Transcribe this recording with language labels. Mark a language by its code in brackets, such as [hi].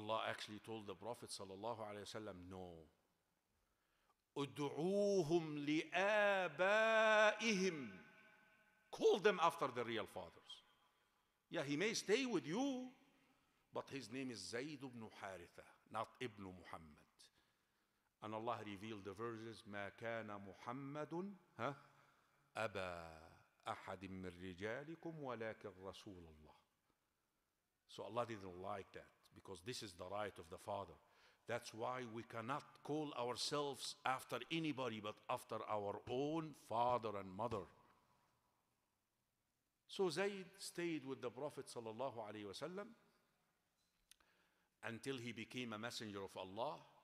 [en] Allah actually told the Prophet sallallahu alayhi wa sallam, no. [ar] ادعوهم لآبائهم. [en] Call them after the real fathers. Yeah, he may stay with you, but his name is Zayd ibn Haritha, not Ibn Muhammad. And Allah revealed the verses, [ar] ما كان محمد أبا أحد من رجالكم ولكن رسول الله. [en] So Allah didn't like that, because this is the right of the Father. That's why we cannot call ourselves after anybody but after our own father and mother. So Zayd stayed with the Prophet sallallahu alaihi wasallam until he became a messenger of Allah.